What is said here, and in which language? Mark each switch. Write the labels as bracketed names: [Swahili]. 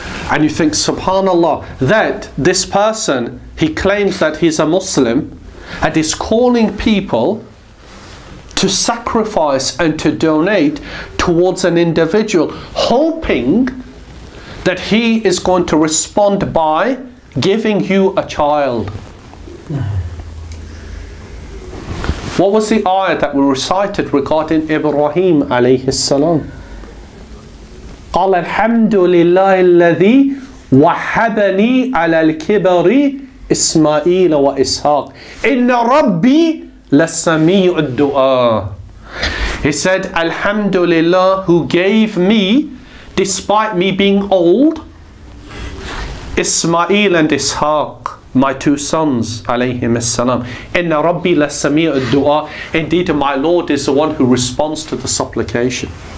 [English] And you think, SubhanAllah, that this person, he claims that he's a Muslim and is calling people to sacrifice and to donate towards an individual, hoping that he is going to respond by giving you a child. What was the ayah that we recited regarding Ibrahim alayhi salam? [Arabic] قال الحمد لله الذي وحبني على الكبر إسماعيل وإسحاق إن ربي لسميع الدعاء. [English] He said, Alhamdulillah, who gave me, despite me being old, Ismail and Ishaq, my two sons, alayhim as-salam. [Arabic] Inna Rabbi la sami' al-du'a. [English] Indeed, my Lord is the one who responds to the supplication.